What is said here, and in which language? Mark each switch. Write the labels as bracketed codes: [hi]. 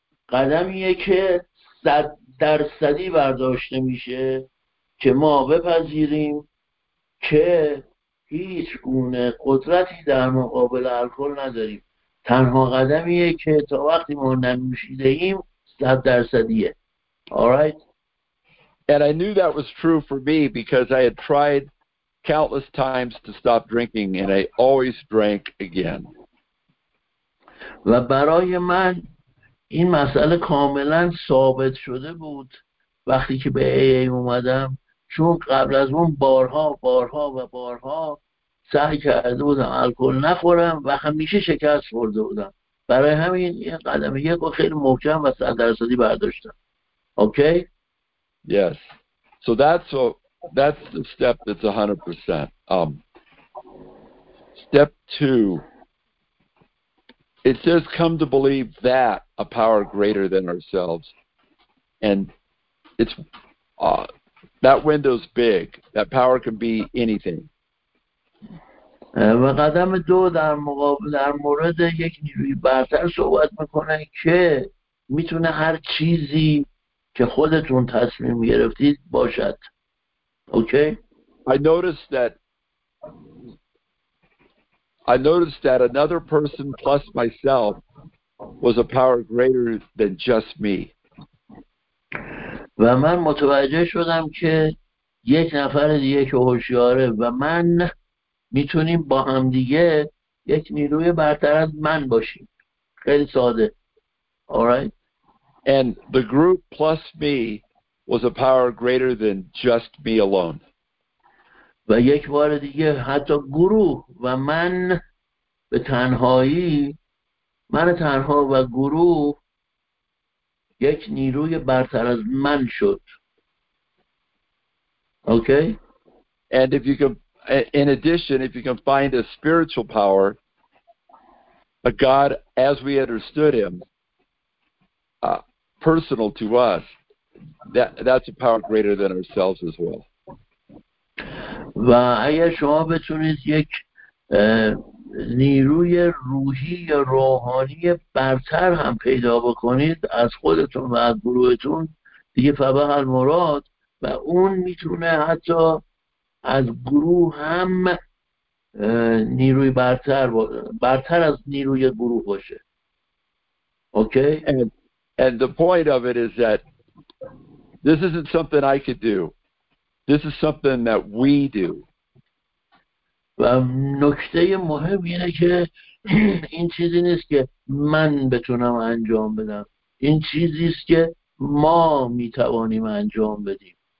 [fa] قدم یک که 100% برداشته میشه که ما بپذیریم که هیچ گونه قدرتی در مقابل الکل نداریم. تنها قدمیه که تا وقتی ما ننوشیده ایم 100%. [en] All right. And I knew that was true for me because I had tried countless times to stop drinking and I always drank again. [fa] و برای من این مسئله کاملا ثابت شده بود وقتی که به AA اومدم، چون قبل از اون بارها بارها و بارها سعی کرده بودم الکل نخورم و همیشه شکست خورده بودم. برای همین این قدم یک رو خیلی محکم و 100% برداشتم. اوکی؟ [en] Yes. So that's the step that's 100%. Step two. It says come to believe that a power greater than ourselves. And it's that window's big. That power can be anything. [fa] و قدم دو در مقابل در مورد یک نیروی برتر صحبت میکنه که میتونه هر چیزی که خودتون تصمیم گرفتید باشد. اوکی؟ [en] I noticed that another person plus myself was a power greater than just me. [fa] و من متوجه شدم که یک نفر دیگه که هوشیاره و من میتونیم با هم دیگه یک نیروی برتر از من باشیم. خیلی ساده. Alright. [en] And the group plus me was a power greater than just me alone. [fa] و یک بار دیگه حتی گروه و من به تنهایی، من تنها و گروه یک نیروی برتر از من شد. [en] Okay. And if you can, in addition, if you can find a spiritual power, a God as we understood him, personal to us, that's a power greater than ourselves as well. [fa] و اگر شما بتونید یک نیروی روحی یا روحانی برتر هم پیدا بکنید از خودتون و از گروهتون، دیگه فبه المراد، و اون میتونه حتی از گروه هم نیروی برتر از نیروی گروه باشه. اوکی؟ [en] And the point of it is that this isn't something I could do. This is something that we do. [fa] و نکته مهم اینه که این چیزی نیست که من بتونم انجام بدم. این چیزی است که ما میتوانیم انجام بدیم.